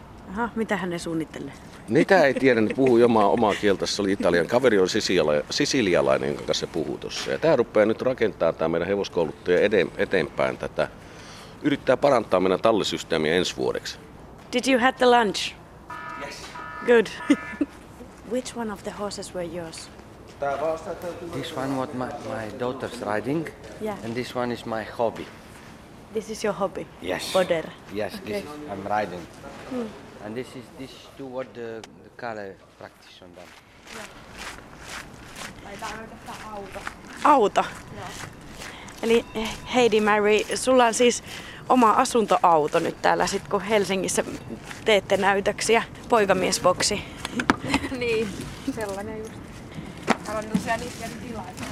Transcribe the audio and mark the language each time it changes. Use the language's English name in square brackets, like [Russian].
[Finnish] Aha, mitähän ne suunnittelee? Niitä ei tiedä, ne puhuu omaa kieltä, se oli italian. Kaveri on sisilialainen, jonka kanssa se puhuu tuossa. Ja tämä rupeaa nyt rakentamaan tämä meidän hevoskouluttaja eteenpäin tätä. Yrittää parantaa meidän tallisysteemiä ensi vuodeksi. [English] Did you have the lunch? Yes. Good. Which one of the horses were yours? This one was my daughter's riding. Yeah. And this one is my hobby. This is your hobby? Yes. Border. Yes, okay. This, I'm riding. Hmm. And this do what the color practice on them. [Finnish] Auto. Eli Heidi Mary, sulla on siis oma asuntoauto nyt täällä sit kun Helsingissä teette näytöksiä, poikamiesboksi. Niin, sellainen just. Haluan tosiaan niitäkin tilaa.